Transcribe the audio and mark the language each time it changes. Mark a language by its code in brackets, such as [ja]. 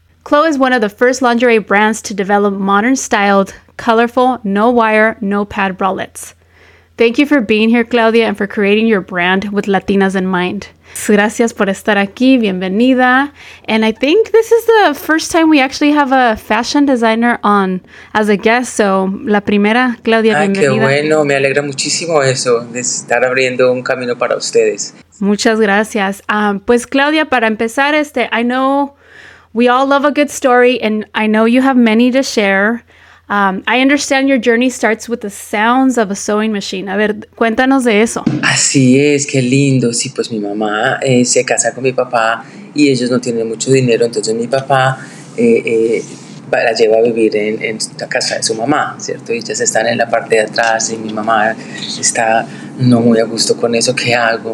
[en] CLO is one of the first lingerie brands to develop modern-styled, colorful, no-wire, no-pad bralettes. Thank you for being here, Claudia, and for creating your brand with Latinas in mind. [es] Gracias por estar aquí. Bienvenida. [en] And I think this is the first time we actually have a fashion designer on as a guest. [es] So, la primera, Claudia, bienvenida. Ay, qué bueno. Me alegra muchísimo eso, de estar abriendo un camino para ustedes. Muchas gracias. Pues, Claudia, para empezar, [en] I know we all love a good story, and I know you have many to share. I understand your journey starts with the sounds of a sewing machine. [es] A ver, cuéntanos de eso. Así es, qué lindo. Sí, pues mi mamá se casa con mi papá y ellos no tienen mucho dinero. Entonces mi papá la lleva a vivir en la casa de su mamá, ¿cierto? Y ellas están en la parte de atrás y mi mamá está no muy a gusto con eso. ¿Qué hago?